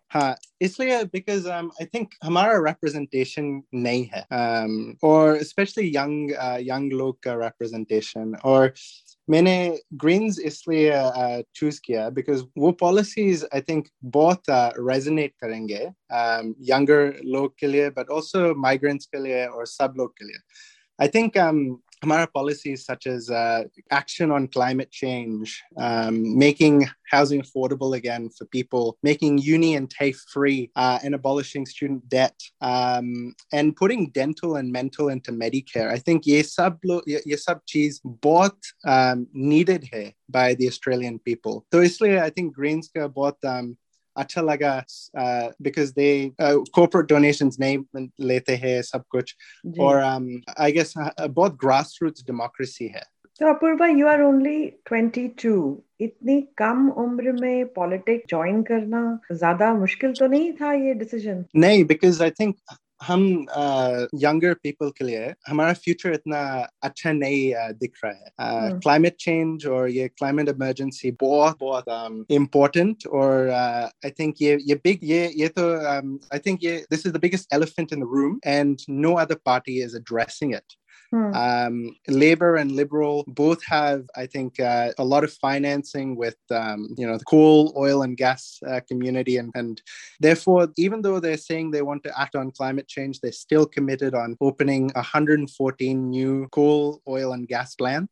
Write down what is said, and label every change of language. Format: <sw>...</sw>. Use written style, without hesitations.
<hi>हाँ, इसलिए because I think हमारा रिप्रेजेंटेशन नहीं है, और स्पेशली यंग लोग का रिप्रेजेंटेशन। और मैंने ग्रीन्स इसलिए चूज किया बिकॉज वो पॉलिसीज आई थिंक बहुत रेजोनेट करेंगे यंगर लोग के लिए, बट ऑल्सो माइग्रेंट्स के लिए और सब लोग के लिए।</hi> <en>I think our policies such as action on climate change, making housing affordable again for people, making uni and TAFE free, and abolishing student debt, and putting dental and mental into Medicare. I think</en> <hi>ye sab cheez bahut</hi> <en>needed hai by the Australian people.</en> <hi>So isliye I think Greens ka bahut अच्छा लगा,</hi> <en>because they corporate donations</en> <hi>नहीं लेते हैं सब कुछ, और I guess बहुत grassroots democracy है। तो अपूर्वा,</hi> <en>you are only 22,</en> <hi>इतनी कम उम्र में पॉलिटिक्स ज्वाइन करना ज्यादा मुश्किल तो नहीं था ये डिसीजन? नहीं, बिकॉज आई थिंक हम यंगर पीपल के लिए हमारा फ्यूचर इतना अच्छा नहीं दिख रहा है।</hi> <en>Climate change और ये climate emergency बहुत बहुत इम्पोर्टेंट, और आई थिंक ये तो आई थिंक ये this is the biggest elephant in the room and no other party is addressing it. Labor and Liberal both have, I think, a lot of financing with, the coal, oil and gas community. And therefore, even though they're saying they want to act on climate change, they're still committed on opening 114 new coal, oil and gas plants.</en>